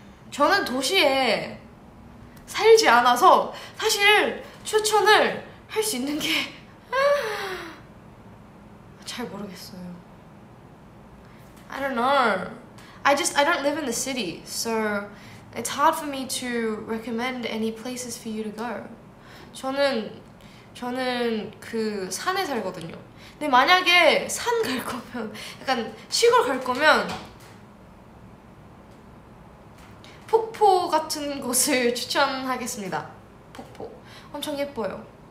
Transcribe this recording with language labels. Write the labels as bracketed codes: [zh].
[ko] 저는 도시에 살지 않아서 사실 추천을 할 수 있는 게 잘 모르겠어요. [en] I don't know. I don't live in the city, so it's hard for me to recommend any places for you to go. [ko] 저는 그 산에 살거든요. 근데 만약에 산 갈 거면, 약간 시골 갈 거면 폭포 같은 곳을 추천하겠습니다. 폭포. 엄청 예뻐요.